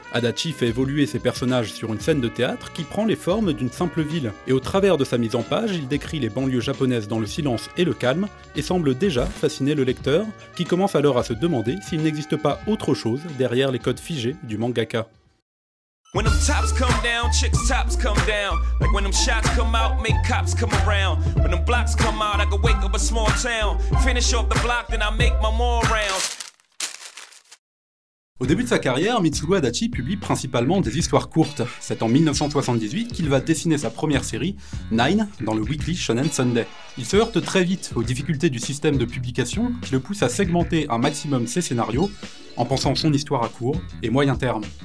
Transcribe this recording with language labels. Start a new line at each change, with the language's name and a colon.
French: Adachi fait évoluer ses personnages sur une scène de théâtre qui prend les formes d'une simple ville, et au travers de sa mise en page, il décrit les banlieues japonaises dans le silence et le calme, et semble déjà fasciner le lecteur, qui commence alors à se demander s'il n'existe pas autre chose derrière les codes figés du mangaka.
English: When them tops come down, chicks tops come down. Like when them shots come out, make cops come around. When them blocks come out, I can wake up a small town. Finish off the block, then I make my more rounds.
French: Au début de sa carrière, Mitsuru Adachi publie principalement des histoires courtes. C'est en 1978 qu'il va dessiner sa première série, Nine, dans le Weekly Shonen Sunday. Il se heurte très vite aux difficultés du système de publication qui le pousse à segmenter un maximum ses scénarios en pensant son histoire à court et moyen terme.